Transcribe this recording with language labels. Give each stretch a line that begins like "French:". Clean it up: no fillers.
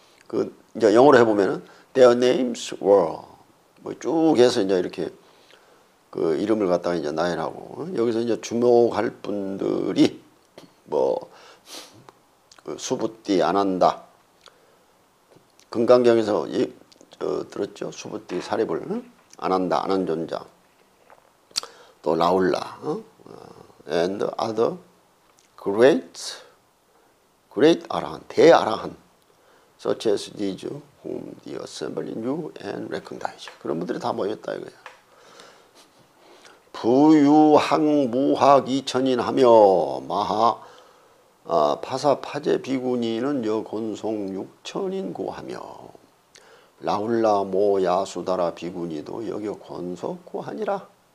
Korean: 그 이제 영어로 해보면은
English: their names were
Korean: 뭐 쭉 해서 이제 이렇게 그 이름을 갖다가 이제 나열하고 여기서 이제 주목할 분들이 뭐 그 수부띠 아난다 금강경에서 예, 들었죠 수부띠 사리불 응? 아난다 아난존자 또 라울라 응?
English: and other great 아라한 대아라한 such as these whom the assembly knew and recognized.
Korean: 그런 분들이 다 모였다 이거야. 부유항 무학 이천인 하며 마하 파사 파제 비구니는 여곤송 육천인 고하며 라훌라 모 야수다라 비구니도 여겨 곤속 고하니라.